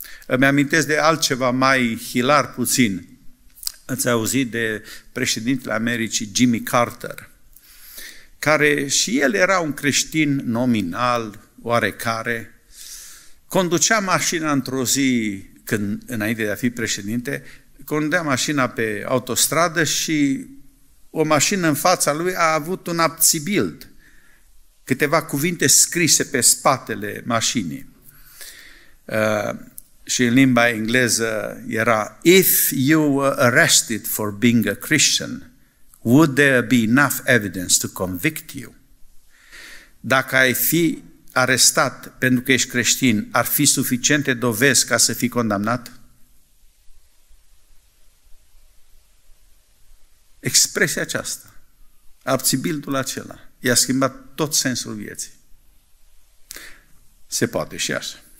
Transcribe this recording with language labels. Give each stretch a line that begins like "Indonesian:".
Romanian: Îmi amintesc de altceva mai hilar puțin. Ați auzit de președintele Americii, Jimmy Carter, care și el era un creștin nominal, oarecare, conducea mașina într-o zi, când, înainte de a fi președinte, conducea mașina pe autostradă și o mașină în fața lui a avut un abțibild, câteva cuvinte scrise pe spatele mașinii. Și în limba engleză era:
English: if you were arrested for being a Christian, would there be enough evidence to convict you?
Romanian: Dacă ai fi arestat pentru că ești creștin, ar fi suficiente dovezi ca să fii condamnat? Expresia aceasta, abțibildul acela, i-a schimbat tot sensul vieții. Se poate și așa.